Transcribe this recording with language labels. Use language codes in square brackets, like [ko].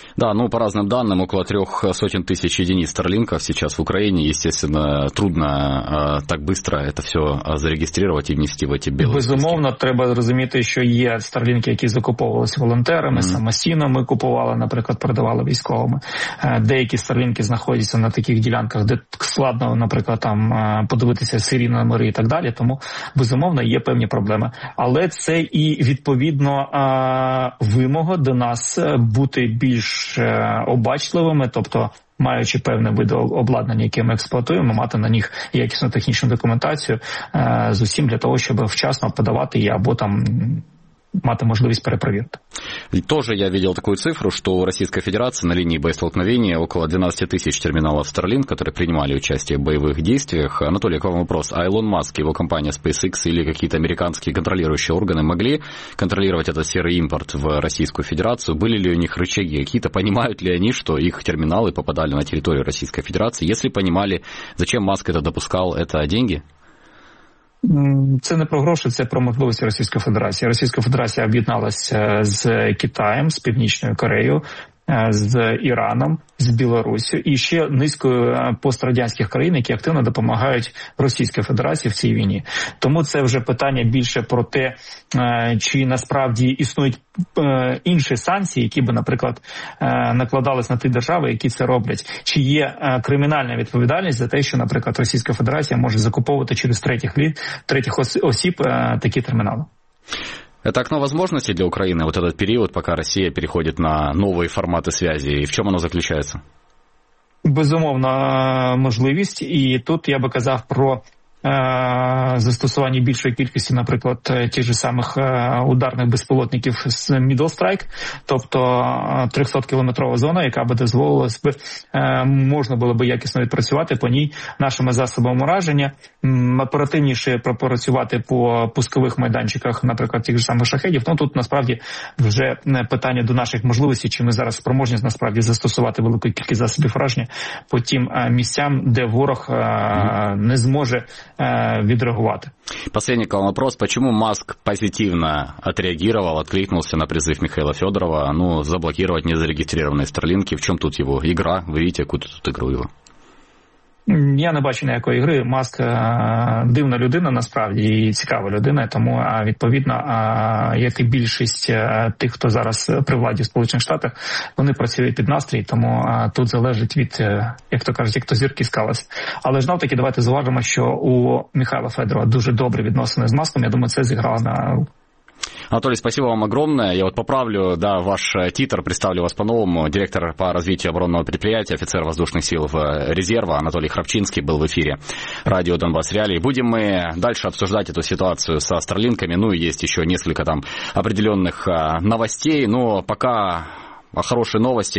[ru] Да, ну по разным данным, около 300 тысяч единиц Starlink'ов сейчас в Украине. Естественно, трудно так быстро это все зарегистрировать и внести в эти белые списки. [uk] Безумовно, треба зрозуміти, що є Starlink'и, які закуповувалися волонтерами, самостійно купували, наприклад, продавали військовими. Деякі Starlink'и знаходяться на таких ділянках, де складно, наприклад, там подивитися серійні номери і так далі. Тому, безумовно, є певні проблеми. Але це і відповідно вимога до нас бути більш обачливими, тобто маючи певне види обладнання, яке ми експлуатуємо, мати на них якісну технічну документацію з усім для того, щоб вчасно подавати її або там мати можливість перепровірити. [ru] Тоже я видел такую цифру, что у Российской Федерации на линии боестолкновения около 12 тысяч терминалов Starlink, которые принимали участие в боевых действиях. Анатолий, к вам вопрос. А Илон Маск, его компания SpaceX или какие-то американские контролирующие органы могли контролировать этот серый импорт в Российскую Федерацию? Были ли у них рычаги какие-то? Понимают ли они, что их терминалы попадали на территорию Российской Федерации? Если понимали, зачем Маск это допускал, это деньги? [uk] Це не про гроші, це про можливості Російської Федерації. Російська Федерація об'єдналася з Китаєм, з Північною Кореєю, з Іраном, з Білоруссю і ще низкою пострадянських країн, які активно допомагають Російській Федерації в цій війні. Тому це вже питання більше про те, чи насправді існують інші санкції, які би, наприклад, накладались на ті держави, які це роблять. Чи є кримінальна відповідальність за те, що, наприклад, Російська Федерація може закуповувати через третіх осіб такі термінали? [ru] Это окно возможностей для Украины, вот этот период, пока Россия переходит на новые форматы связи, и в чем оно заключается? [uk] Безумовно, можливість, [ru] и тут я бы [uk] казав про застосування більшої кількості, наприклад, тих же самих ударних безпілотників з Middle Strike, тобто 300-кілометрова зона, яка би дозволилась би, можна було би якісно відпрацювати по ній нашими засобами ураження, оперативніше пропрацювати по пускових майданчиках, наприклад, тих же самих шахедів. Ну, тут, насправді, вже питання до наших можливостей, чи ми зараз спроможні, насправді, застосувати велику кількість засобів ураження по тим місцям, де ворог не зможе відреагувати. [ru] Последний вопрос. Почему Маск позитивно отреагировал, откликнулся на призыв Михаила Федорова, ну, заблокировать незарегистрированные старлинки? В чем тут его игра? Вы видите, какую тут игру его? [uk] Я не бачу ніякої гри. Маск дивна людина, насправді, і цікава людина, тому, відповідно, як і більшість тих, хто зараз при владі в Сполучених Штатах, вони працюють під настрій, тому тут залежить від, як то кажуть, як то зірки скалась. Але ж навтаки, давайте зважимо, що у Михайла Федорова дуже добрі відносини з Маском, я думаю, це зіграло на... [ru] Анатолий, спасибо вам огромное. Я вот поправлю, да, ваш титр, представлю вас по-новому. Директор по развитию оборонного предприятия, офицер воздушных сил в резерва Анатолий Храбчинский был в эфире радио «Донбасс Реалии». Будем мы дальше обсуждать эту ситуацию со Starlink'ами. Ну и есть еще несколько там определенных новостей. Но пока О хорошей новости.